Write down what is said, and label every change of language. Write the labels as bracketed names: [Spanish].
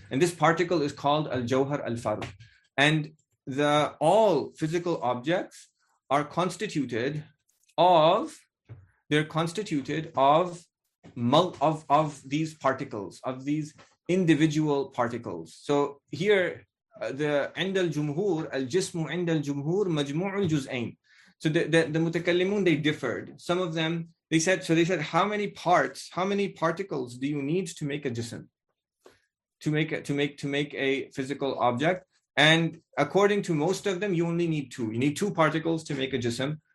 [English] And this particle is called al-jawhar al-farq. And all physical objects are constituted of, they're constituted of of these particles, of these individual particles. So here, the [Arabic] عند الجمهور, الجسم عند الجمهور مجموع الجزئين. [English] So the متكلمون, they differed. Some of them, they said, how many particles do you need to make a jism, to make a physical object? And according to most of them, you only need two. You need two particles to make a jism.